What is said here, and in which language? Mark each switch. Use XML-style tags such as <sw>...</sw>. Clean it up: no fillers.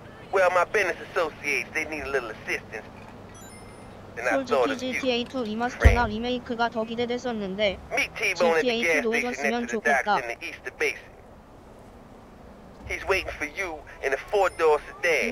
<en>Well, my business associates, they need a little assistance. And I thought of you.</en> <ko>GTA 2 리마스터나 리메이크가 더 기대됐었는데 GTA 2도 오셨으면 좋겠다.</ko> <en>He's waiting for you in a four-door sedan.</en>